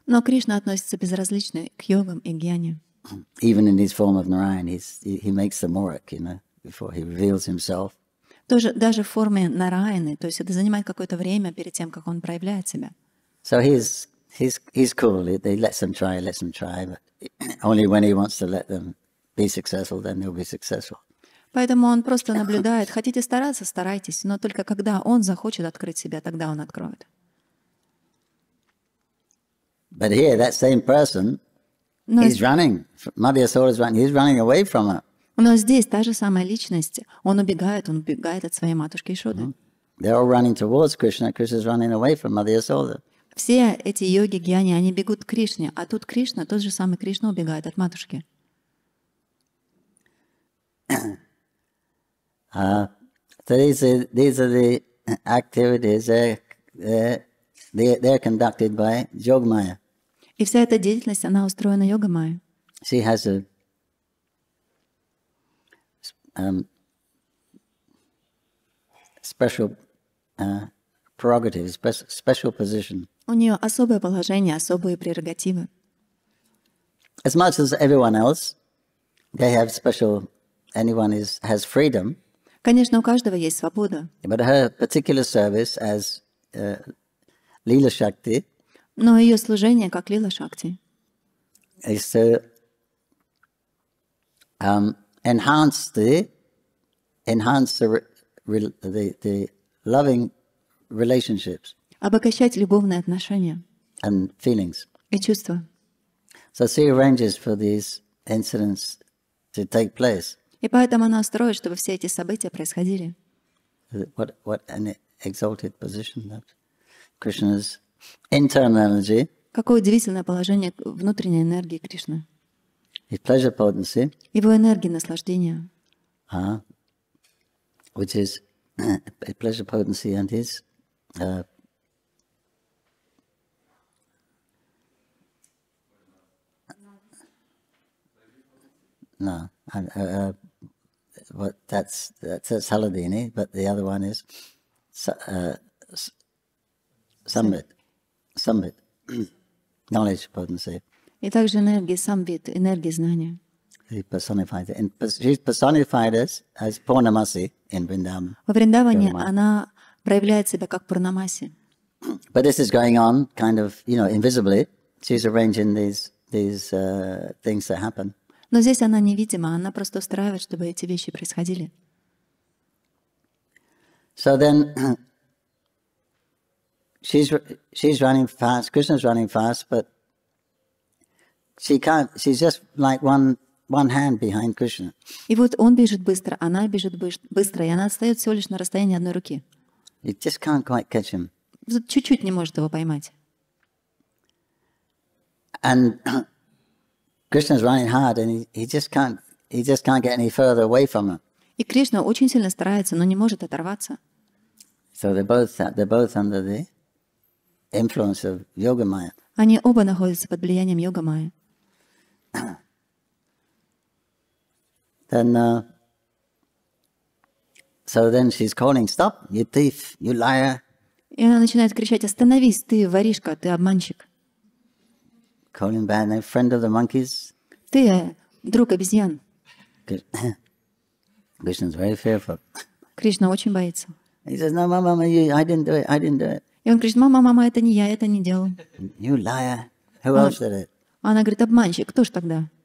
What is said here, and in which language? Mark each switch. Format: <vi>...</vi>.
<ru>Но Кришна относится безразлично к йогам и гьяне.</ru> <en>Even in his form of Narayan, he makes the morak, you know. Before he reveals himself.</en> <ru>Тоже даже в форме Нараяны, то есть это занимает какое-то время перед тем, как он проявляет себя.</ru> <en>So he's cool. He lets them try, but only when he wants to let them be successful, then they'll be successful.</en> <ru>Поэтому он просто наблюдает. Хотите стараться, старайтесь, но только когда он захочет открыть себя, тогда он откроет.</ru> <en>But here that same person, he's running. Mother Yashoda is running. He's running away from her.</en> <ru>Но здесь та же самая личность. Он убегает от своей матушки Яшоды.</ru> <en>They're all running towards Krishna. Krishna's running away from Mother Yashoda.</en> <ru>Все эти йоги, гьяни, они бегут к Кришне, а тут Кришна, тот же самый Кришна, убегает от матушки.</ru> <en>These are the activities. They're conducted by Yogamaya.</en> <ru>И вся эта деятельность, она устроена Йогамая.</ru> <en>She has a special prerogative, special position.</en> <ru>У нее особое положение, особые прерогативы.</ru> <en>As much as everyone else, they have special. Anyone has freedom.</en> <ru>Конечно, у каждого есть свобода.</ru> <en>But her particular service as Lila Shakti.</en> <ru>Но ее служение как Лила Шакти.</ru> <en>Is to enhance the. Enhance the loving relationships.</en> <ru>Обогащать любовные отношения.</ru> <en>And feelings.</en> <ru>И чувства.</ru> <en>So she arranges for these incidents to take place.</en> <ru>И поэтому она строит, чтобы все эти события происходили.</ru> <en>What an exalted position that Krishna's internal energy.</en> <ru>Какое удивительное положение внутренней энергии Кришны.</ru> <en>His pleasure potency.</en> <ru>Его энергия наслаждения.</ru> <en>Which is pleasure potency and his that's Haladini, but the other one is Samvit knowledge potency.</en> <ru>И также энергия Самвит, энергия знания.</ru> <en>She's personified as Purnamasi in Vrindavan.</en> <ru>Во Вриндаване она проявляет себя как Пурнамаси.</ru> <en>But this is going on kind of, you know, invisibly. She's arranging these things that happen.</en> <ru>Но здесь она невидима, она просто устраивает, чтобы эти вещи происходили.</ru> <en>So then she's running fast. Krishna's running fast, but she's just like one hand behind Krishna.</en> <ru>И вот он бежит быстро, она бежит быстро, и она отстаёт всего лишь на расстоянии одной руки.</ru> <en>You just can't quite catch him.</en> <ru>Чуть-чуть не может его поймать.</ru> <en>And Krishna's running hard, and he just can't get any further away from her.</en> <ru>И Кришна очень сильно старается, но не может оторваться.</ru> <en>So they're both under the influence of yoga maya.</en> <ru>Они оба находятся под влиянием йога майя.</ru> <en>Then she's calling, stop, you thief, you liar.</en> <ru>И она начинает кричать: остановись, ты воришка, ты обманщик.</ru> <en>Calling bad name, friend of the monkeys.</en> <ru>Ты друг обезьян.</ru> <en>Krishna's very fearful.</en> <ru>Кришна очень боится.</ru> <en>He says, no, mama, you, I didn't do it.</en> <ru>И он кричит: мама, это не я, это не делал.</ru> <en>You liar. Who else did it?</en> <ru>Она говорит: обманщик, кто ж тогда?</ru>